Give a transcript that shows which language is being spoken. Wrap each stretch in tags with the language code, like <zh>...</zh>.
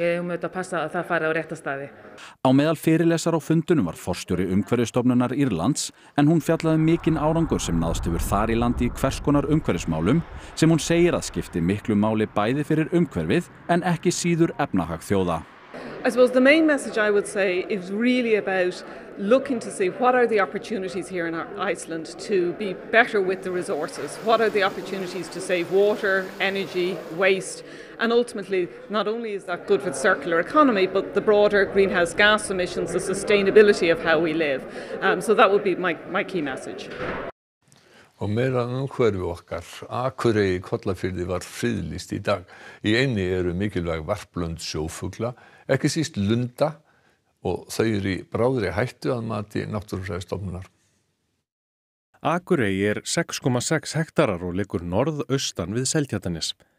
<is>Við eigum auðvitað að passa að það fari á rétta staði. Á meðal fyrirlesar á fundunum var forstjóri Umhverfisstofnunar Írlands en hún fjallaði mikinn árangur sem náðst hefur þar í landi í hvers konar umhverfismálum sem hún segir að skipti miklu máli bæði fyrir umhverfið en ekki síður efnahag þjóða.</is> <en>I suppose the main message I would say is really about looking to see what are the opportunities here in Iceland to be better with the resources. What are the opportunities to save water, energy, waste, and ultimately not only is that good for the circular economy, but the broader greenhouse gas emissions, the sustainability of how we live. So that would be my key message.</en> <is>Og meira umhverfi okkar, Akureyri Kollafirði var friðlýst í dag. Í einni eru mikilvæg varplönd sjófugla, ekki síst lunda og þau eru í bráðri hættu að mati náttúrufræðistofnunar. Akureyri er 6,6 hektarar og liggur norðaustan við Seltjarnarnes.</is>